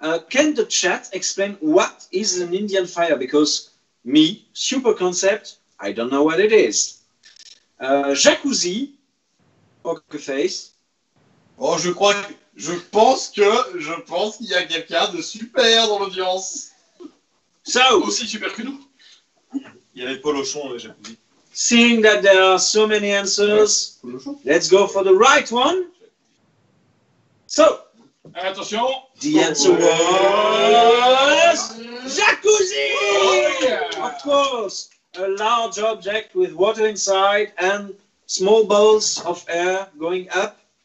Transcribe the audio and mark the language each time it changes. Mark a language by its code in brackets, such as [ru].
[en] Can the chat explain what is an Indian fire? Because me, super concept, I don't know what it is. Jacuzzi, poker face. [fr] Oh, je pense qu'il y a quelqu'un de super dans l'audience. [en] So, [fr] aussi super que nous. Il y avait Polochon, j'ai dit. [en] Seeing that there are so many answers, let's go for the right one. So, [fr] attention. [en] The answer was jacuzzi. Of course, a large object with water inside and small balls of air going up.